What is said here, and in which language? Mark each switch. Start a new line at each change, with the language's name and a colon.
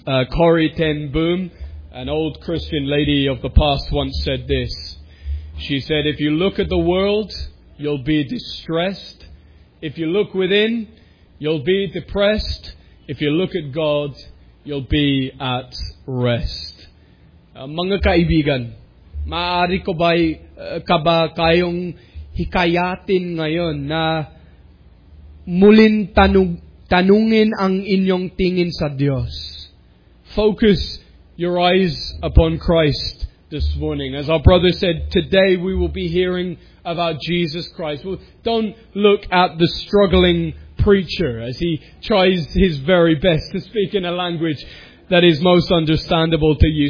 English: Corrie ten Boom, an old Christian lady of the past, once said this. She said, if you look at the world, you'll be distressed. If you look within, you'll be depressed. If you look at God, you'll be at rest.
Filipino: Mga kaibigan, maaari ko ba kaba kayong hikayatin ngayon na muling tanungin ang inyong tingin sa Diyos?
English: Focus your eyes upon Christ this morning. As our brother said, today we will be hearing about Jesus Christ. Well, don't look at the struggling preacher as he tries his very best to speak in a language that is most understandable to you.